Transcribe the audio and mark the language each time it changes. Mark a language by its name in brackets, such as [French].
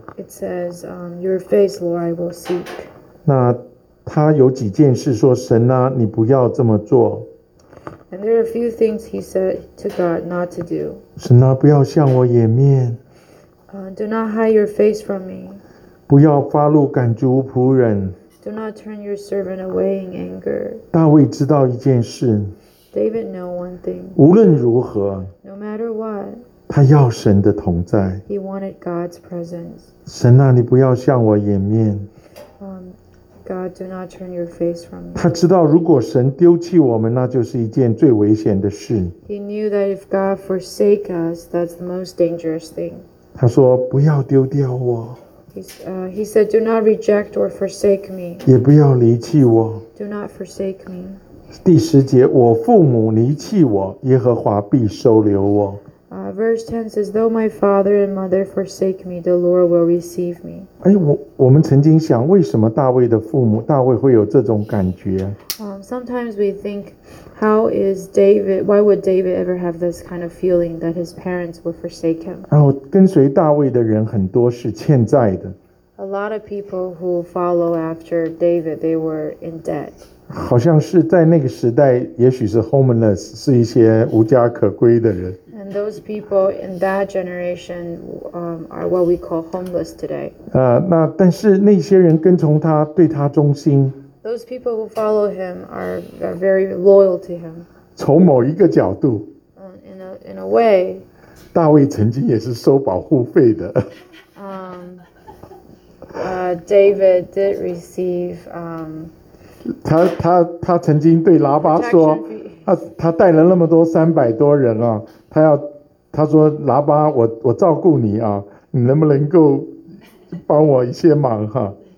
[English] It says, "Your face, Lord, I will seek." [Chinese] 那他有几件事说神啊，你不要这么做。 [English] And there are a few things he said to God not to do. [Chinese] 神啊，不要向我掩面。 [English] Do not hide your face from me. [Chinese] 不要发怒赶逐仆人。 [English] Do not turn your servant away in anger. [Chinese] 大卫知道一件事。 [English] David know one thing. [Chinese] 无论如何。 [English] No matter what. [Chinese] 他要神的同在。 [English] He wanted God's presence. [Chinese] 神啊，你不要向我掩面。 [English] God, do not turn your face from me. [Chinese] 他知道如果神丢弃我们，那就是一件最危险的事。 [English] He knew that if God forsake us, that's the most dangerous thing. [Chinese] 他说，不要丢掉我。 [English] He said, "Do not reject or forsake me." [Chinese] 也不要离弃我。 [English] Do not forsake me. [Chinese] 第十节，我父母离弃我，耶和华必收留我。 [English] Verse 10 says, "Though my father and mother forsake me, the Lord will receive me." [Chinese] 哎，我们曾经想，为什么大卫的父母，大卫会有这种感觉？ [English] Sometimes we think, how is David? Why would David ever have this kind of feeling that his parents would forsake him? [Chinese] 然后跟随大卫的人很多是欠债的。 [English] A lot of people who follow after David, they were in debt. [Chinese] 好像是在那个时代，也许是 homeless， 是一些无家可归的人。 [English] And those people in that generation are what we call homeless today. [Chinese] 那但是那些人跟从他，对他忠心。 [English] Those people who follow him are very loyal to him. [Chinese] 从某一个角度。 [English] In a way. [Chinese] 大卫曾经也是收保护费的。 [English] David did receive. [Chinese] 他曾经对拉巴说。他带了那么多三百多人啊，他说喇叭我照顾你啊，你能不能够帮我一些忙哈、